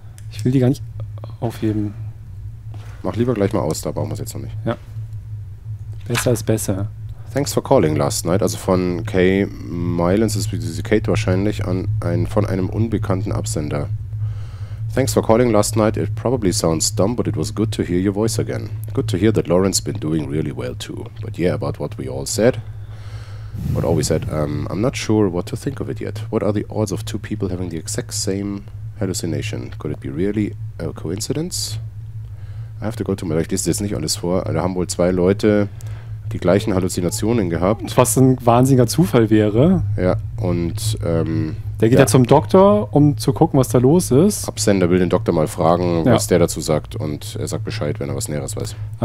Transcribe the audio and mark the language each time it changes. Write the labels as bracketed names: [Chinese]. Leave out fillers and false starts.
[German] Ich will die gar nicht aufheben. Mach lieber gleich mal aus, da brauchen wir es jetzt noch nicht. Ja. Besser ist besser. [English] Thanks for calling last night. [German] Also von Kay Mylands ist diese Kate wahrscheinlich an von einem unbekannten Absender. [English] Thanks for calling last night. It probably sounds dumb, but it was good to hear your voice again. Good to hear that Lauren's been doing really well too. But yeah, about what we all said. What always said, I'm not sure what to think of it yet. What are the odds of two people having the exact same hallucination? Could it be really a coincidence? I have to go to my... [German] Ich lese das nicht alles vor. Da haben wohl zwei Leute die gleichen Halluzinationen gehabt. Was ein wahnsinniger Zufall wäre. Ja, und... Der geht ja zum Doktor, um zu gucken, was da los ist. Absender will den Doktor mal fragen, was der dazu sagt. Und er sagt Bescheid, wenn er was Näheres weiß.